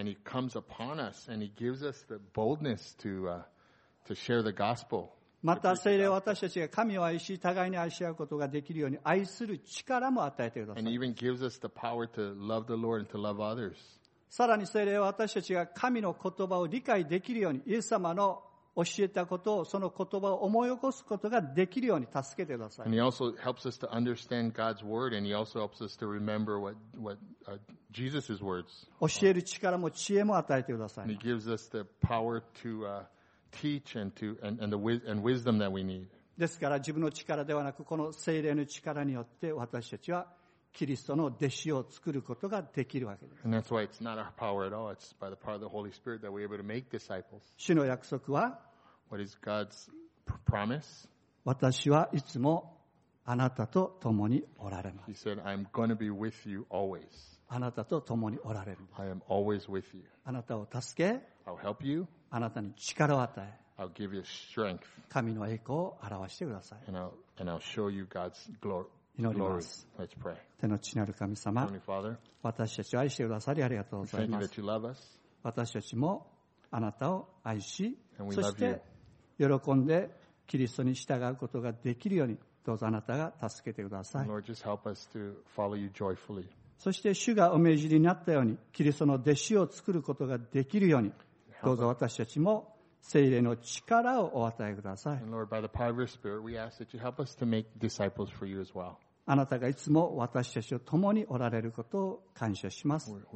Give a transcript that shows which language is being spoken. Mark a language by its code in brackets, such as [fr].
[en] And he comes upon us and he gives us the boldness to share the gospel. [ja] また聖霊は私たちが神を愛し互いに愛し合うことができるように愛する力も与えてください。 [en] And even gives us the power to love the Lord and to love others. [ja] さらに聖霊は私たちが神の言葉を理解できるようにイエス様の教えたことをその言葉を思い起こすことができるように助けてください。 [en] And he also helps us to understand God's word and he also helps us to remember what Jesus' words. [ja] 教える力も知恵も与えてください。 [en] And he gives us the power to teach and wisdom that we need. [ja] ですから自分の力ではなくこの聖霊の力によって私たちはキリストの弟子を作ることができるわけです。 [en] And that's why it's not our power at all. It's by the power of the Holy Spirit that we're able to make disciples. [ja] 主の約束は [en] What is God's promise? [ja] 私はいつもあなたと共におられます。 [en] He said, I'm going to be with you always. [ja] あなたと共におられる。 [en] I am always with you. [ja] あなたを助け [en] I'll help you. [ja] あなたに力を与え [en] I'll give you strength. [ja] 神の栄光を表してください。 [en] And I'll show you God's glory. [ja] 祈ります。 [en] Let's pray. [ja] 天の父なる神様、 [en] Heavenly Father, [ja] 私たちを愛してくださりありがとうございます。 [en] Thank you that you love us. [ja] 私たちもあなたを愛し [en] And we [ja] そして喜んでキリストに従うことができるようにどうぞあなたが助けてください。 [en] Lord, just help us to follow you joyfully. [ja] そして主がお命じになったようにキリストの弟子を作ることができるようにどうぞ私たちも聖霊の力をお与えください。 [en] And Lord, by the power of your Spirit, we ask that you help us to make disciples for you as well. [ja] あなたがいつも私たちと共におられることを感謝します。